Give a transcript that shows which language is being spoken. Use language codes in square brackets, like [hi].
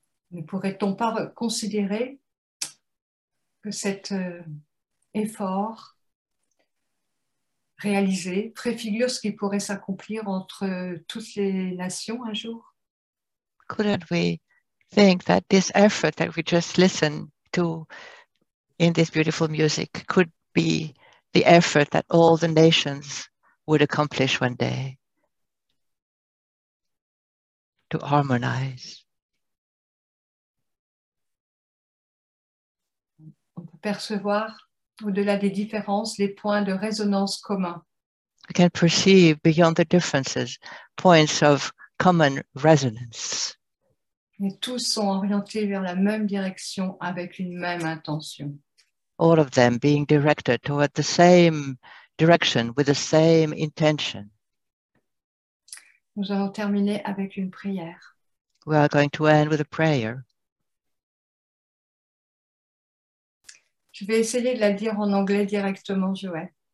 [fr] Ne pourrait-on pas considérer que cet effort réalisé préfigure ce qui pourrait s'accomplir entre toutes les nations un jour? [en] Couldn't we think that this effort that we just listened to in this beautiful music could be the effort that all the nations would accomplish one day? To harmonize. [fr] On peut percevoir au-delà des différences les points de résonance communs. [en] We can perceive beyond the differences points of common resonance. [fr] Et tous sont orientés vers la même direction avec une même intention. [en] All of them being directed toward the same direction with the same intention. [fr] Nous allons terminer avec une prière. [en] We are going to end with a prayer. [fr] Je vais essayer de la dire en anglais directement, Joël.